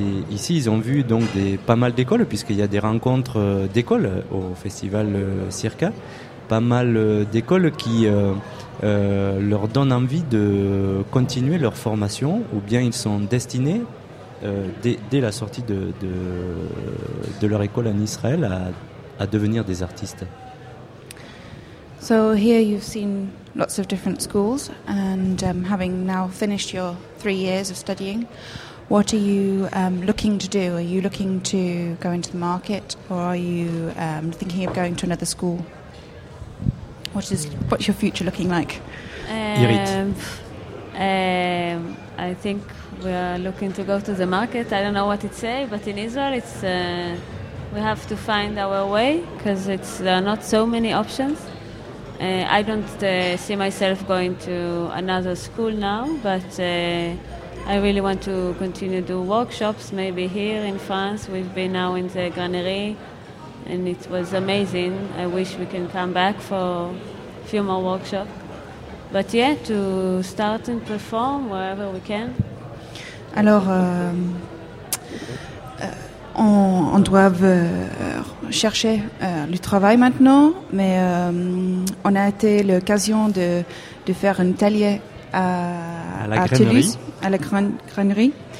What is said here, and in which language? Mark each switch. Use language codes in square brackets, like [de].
[fr] Ici, ils ont vu donc, pas mal d'écoles, puisqu'il y a des rencontres d'écoles au Festival Circa. Pas mal d'écoles qui leur donnent envie de continuer leur formation, ou bien ils sont destinés dès la sortie de leur école en Israël à devenir des artistes. [en] So here you've seen lots of different schools, and having now finished your 3 years of studying, What are you looking to do? Are you looking to go into the market, or are you thinking of going to another school? What's your future looking like? I think we are looking to go to the market. I don't know what it say, but in Israel, it's we have to find our way because there are not so many options. I don't see myself going to another school now, but I really want to continue to do workshops, maybe here in France. We've been now in the Granerie, and it was amazing. I wish we can come back for a few more workshops. But yeah, to start and perform wherever we can. [fr] Alors, on doit chercher du travail maintenant, mais on a été l'occasion de faire un atelier à la granerie.